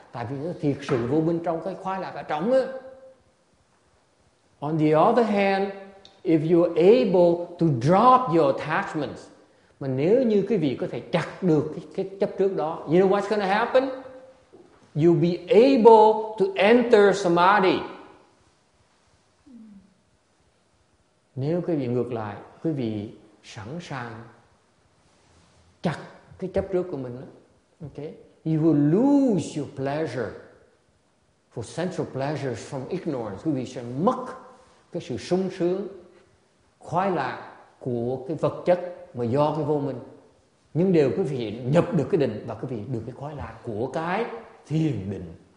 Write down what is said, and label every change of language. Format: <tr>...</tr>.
<vi>Tại vì nó thiệt sự vô minh trong cái khoái lạc ở trong á.</vi> <en>On the other hand, if you're able to drop your attachments,</en> <vi>mà nếu như quý vị có thể chặt được cái chấp trước đó,</vi> <en>you know what's gonna happen? You'll be able to enter samadhi.</en> <vi>Nếu quý vị ngược lại, quý vị sẵn sàng chặt cái chấp trước của mình đó.</vi> <en>Okay. You will lose your pleasure for sensual pleasures from ignorance.</en> <vi>Quý vị sẽ mất cái sự sung sướng, khoái lạc của cái vật chất mà do cái vô minh. Nhưng đều quý vị nhập được cái định và quý vị được cái khoái lạc của cái thiền định.</vi>